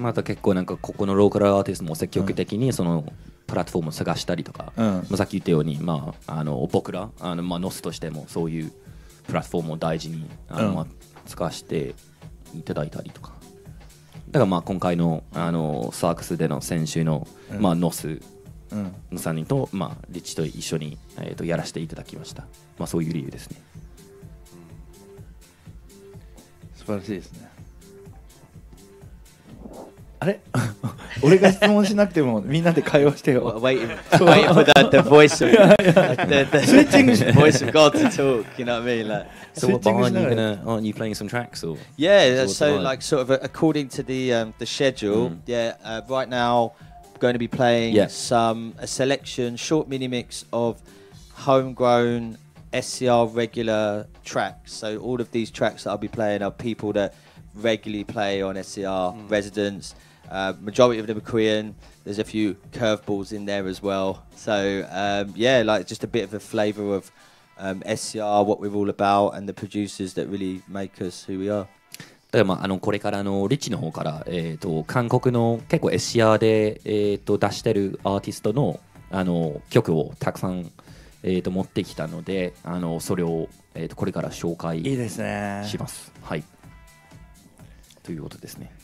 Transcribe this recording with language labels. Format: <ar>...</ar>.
<ja>また結構なんかここのローカルアーティストも積極的にそのプラットフォームを探したりとか、まあ、さっき言ったように、まあ、僕らまあ、NOS としてもそういうプラットフォームを大事に、まあ、使わせていただいたりとか、だからまあ今回のサークスでの先週の、まあ、NOSの3人と、まあ、リッチと一緒に、やらせていただきました。まあ、そういう理由ですね。素晴らしいですね。あれ俺が質問しなくてもみんなで会話してよ。</ja> <en>Waiting for the voice of the switching voice of God to talk, you know what I mean? Like, so what, behind you, aren't you playing some tracks? Or? Yeah, so like sort of according to the schedule, right now, going to be playing some a selection short mini mix of homegrown SCR regular tracks. So all of these tracks that I'll be playing are people that regularly play on SCR residents. Majority of them are Korean. There's a few curveballs in there as well. So yeah, like just a bit of a flavour of SCR, what we're all about, and the producers that really make us who we are.</en> <ja>まあ、あのこれからのリッチの方から、韓国の結構 SCR で、出してるアーティスト の, あの曲をたくさん、持ってきたのであのそれを、これから紹介します。いいですね、はい、ということですね。</ja>